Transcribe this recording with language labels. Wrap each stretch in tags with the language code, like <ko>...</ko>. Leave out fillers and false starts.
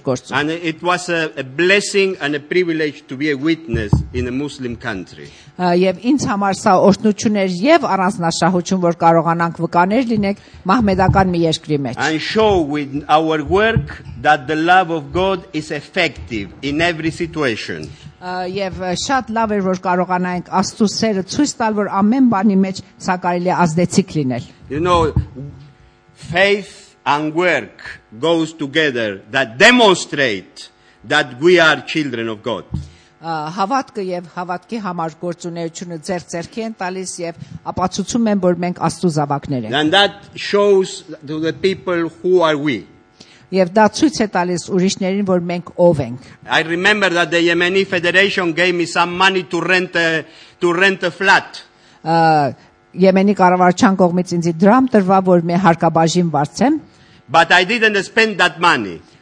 <en>And it was a blessing and a privilege to be a witness in a Muslim country.</en> <hy>Եվ ինձ համար սա օրհնություն էր եւ առանձնահատուկ որ կարողանանք վկաներ լինենք մահմեդական մի երկրի մեջ։</hy> <en>And show with our work that the love of God is effective in every situation.</en> <hy>Եվ շատ լավ էր որ կարողանայինք Աստծո սերը ցույց տալ որ ամեն բանի մեջ սա կարելի է ազդեցիկ լինել։</hy> <en>You know, faith and work goes together that demonstrate that we are children of God.</en> <hy>Հավատքը եւ հավատքի համար գործունեությունը ձեռք-ձեռքի են տալիս եւ ապացուցում են որ մենք Աստծո զավակներ ենք։</hy> <en>And that shows to the people who are we.</en> <hy>Եվ դա ցույց է տալիս ուրիշներին որ մենք ով ենք։</hy> <en>I remember that the Yemeni Federation gave me some money to rent a flat.</en> <hy>Yemeni կառավարության կողմից ինձ դրամ տրվա որ մի հարկաբաժին վարձեմ։</hy> <en>But I didn't spend that money.</en>